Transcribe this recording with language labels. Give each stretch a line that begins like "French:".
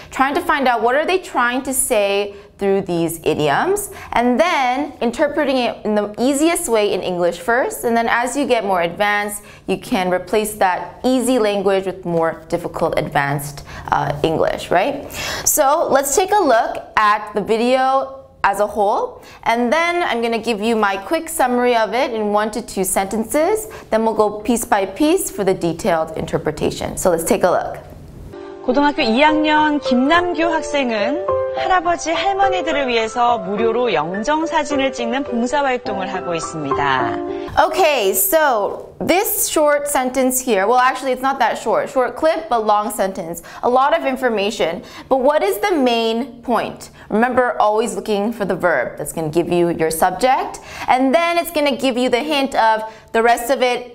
English: Trying to find out what are they trying to say through these idioms, and then interpreting it in the easiest way in English first, and then as you get more advanced, you can replace that easy language with more difficult advanced English, right? So let's take a look at the video as a whole, and then I'm gonna give you my quick summary of it in 1 to 2 sentences, then we'll go piece by piece for the detailed interpretation. So let's take a look.
Korean: 고등학교 2학년 김남규 학생은 할아버지 할머니들을 위해서 무료로 영정 사진을 찍는 봉사 활동을 하고 있습니다.
English: Okay, so this short sentence here, well actually it's not that short, short clip but long sentence, a lot of information, but what is the main point? Remember, always looking for the verb that's going to give you your subject, and then it's going to give you the hint of the rest of it.